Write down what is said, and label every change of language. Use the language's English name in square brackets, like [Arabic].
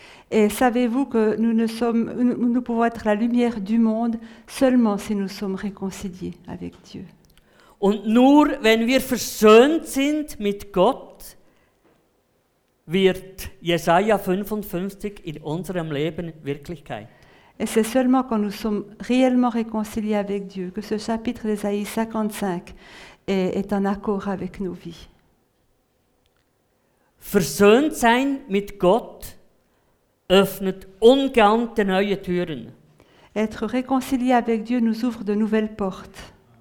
[French] Et savez-vous que nous pouvons être la lumière du monde seulement si nous sommes réconciliés avec Dieu. [German] Und nur wenn wir versöhnt sind mit Gott, wird Jesaja 55 in unserem Leben Wirklichkeit. [French] Et c'est seulement quand nous sommes réellement réconciliés avec Dieu que ce chapitre d'Ésaïe 55 est en accord avec nos vies. [German] Versöhnt sein mit Gott öffnet ungeahnte neue Türen. [French] Être réconcilié avec Dieu nous ouvre de nouvelles portes.